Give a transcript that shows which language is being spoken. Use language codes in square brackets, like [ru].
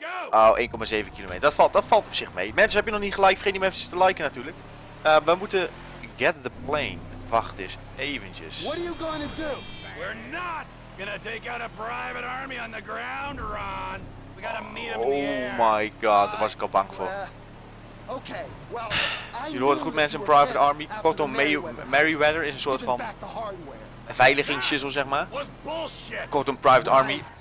[nl] Oh, 1,7 kilometer. Dat valt op zich mee. Mensen, heb je nog niet gelijk? Vergeet niet even te liken natuurlijk. We moeten get the plane. Wacht eens, eventjes. [en] What are you gonna do? We're not gonna take out a private army on the ground, Ron. We gotta meet him in the air. [nl] Oh my god, daar was ik al bang voor. [en] Okay, well, [nl] je hoort goed mensen, een private army. Kortom, Merryweather is een soort van veiligingsschissel, zeg maar. Kortom, private army.